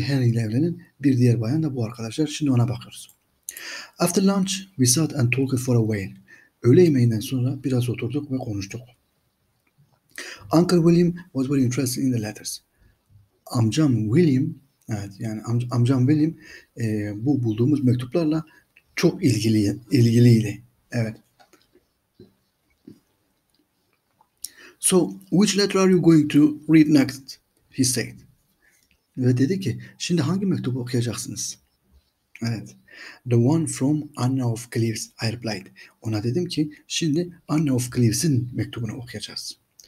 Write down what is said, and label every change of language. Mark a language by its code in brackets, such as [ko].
[tr] Henry ile evlenen bir diğer bayan da bu arkadaşlar. Şimdi ona bakıyoruz. [en] After lunch, we sat and talked for a while. [tr] Öğle yemeğinden sonra biraz oturduk ve konuştuk. [en] Uncle William was very interested in the letters. [tr] Amcam William, evet yani amcam William bu bulduğumuz mektuplarla çok ilgiliydi. Evet. [en] So, which letter are you going to read next? He said. [tr] Ve dedi ki, şimdi hangi mektubu okuyacaksınız? Evet. [en] The one from Anna of Cleves, I replied. [tr] Ona dedim ki, şimdi Anna of Cleves'in mektubunu okuyacağız.